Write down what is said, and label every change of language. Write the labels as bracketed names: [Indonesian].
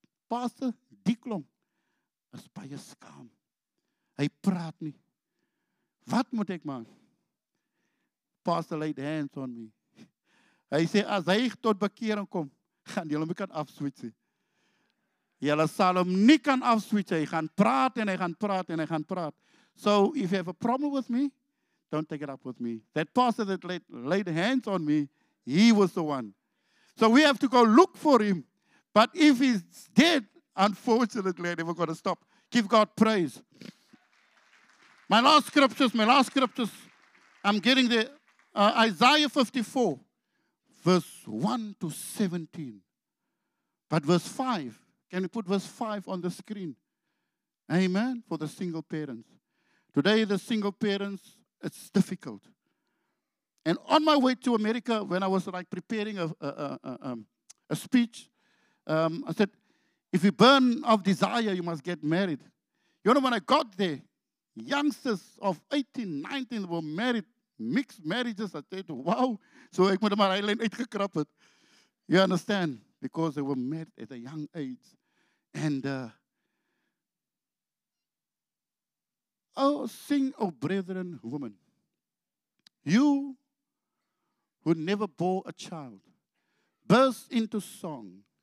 [Afrikaans] Pastor, die klomp is baie skaam. Hy praat nie. Wat moet ek maak? [English] Pastor laid hands on me. [Afrikaans] Hy sê, as hy tot bekering kom, gaan jylle my kan afswitsie. Jylle sal hom nie kan afswitsie. Hy gaan praat en hy gaan praat en hy gaan praat. [English] So, if you have a problem with me, don't take it up with me. That pastor that laid hands on me, he was the one. So, we have to go look for him. But if he's dead, unfortunately, I never got to stop. Give God praise. My last scriptures. I'm getting the Isaiah 54. Verse 1 to 17. But verse 5. Can we put verse 5 on the screen? Amen. For the single parents. Today, the single parents, it's difficult. And on my way to America, when I was like preparing a speech, I said, if you burn of desire, you must get married. You know, when I got there, youngsters of 18, 19 were married. Mixed marriages, I said, wow. [Afrikaans] So ek moet maar alleen uitgekrap het. [English] You understand? Because they were married at a young age. And, sing, O brethren, woman. You who never bore a child, burst into song.